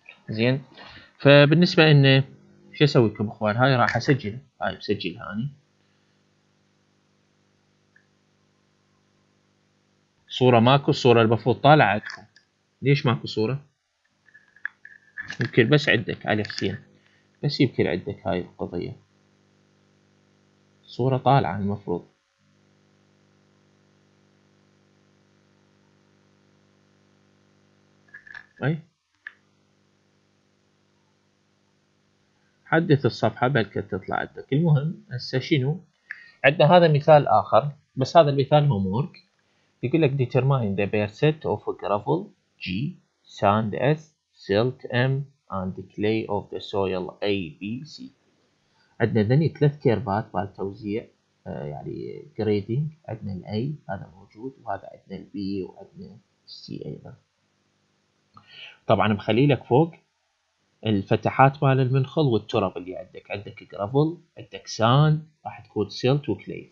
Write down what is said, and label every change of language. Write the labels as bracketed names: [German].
[Arabic] زين فبالنسبه ان شو اسوي لكم اخوان، هاي راح اسجل، هاي بسجل هاني صوره، ماكو صوره المفروض طالعه عندكم، ليش ماكو صوره؟ يمكن بس عندك علي حسين، بس يمكن عندك هاي القضيه صوره طالعه المفروض. اي حدث الصفحة بلكي تطلع عندك. المهم هسه شنو عندنا؟ هذا مثال آخر بس هذا المثال هومورك، يقول لك [English] determine the percent of gravel G, sand S, silt M and clay of the soil A, B, C. [Arabic] عندنا ذني ثلاث كيرفات مال توزيع يعني grading، عندنا ال A هذا موجود، وهذا عندنا ال B وعندنا ال C أيضا. طبعا مخلي لك فوق الفتحات مال المنخل والتراب اللي عندك، عندك جرافل، عندك ساند، راح تكون سيلت وكلي.